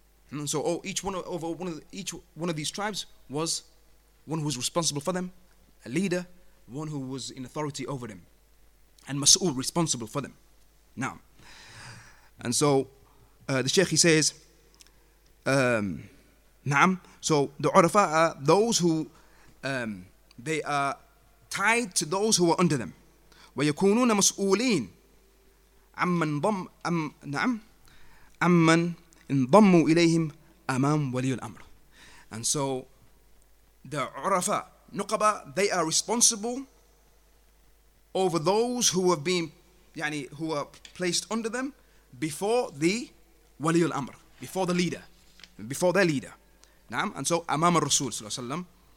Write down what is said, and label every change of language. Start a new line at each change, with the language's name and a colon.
English: And so each one of these tribes was one who was responsible for them, a leader, one who was in authority over them, and Mas'ul, responsible for them. Now, and so the Sheikh, he says, نعم. So the عرفاء are those who they are tied to those who are under them.
Arabic: ويكونون مسؤولين عمن ضم أم نعم عمن انضموا إليهم أمام ولي الأمر.
English: And so the عرفاء نقباء, they are responsible over those who have been يعني who are placed under them before the ولي الأمر, before the leader. Before their leader. Na'am. And so Imam al-Rasul, sallallahu alayhi wa sallam,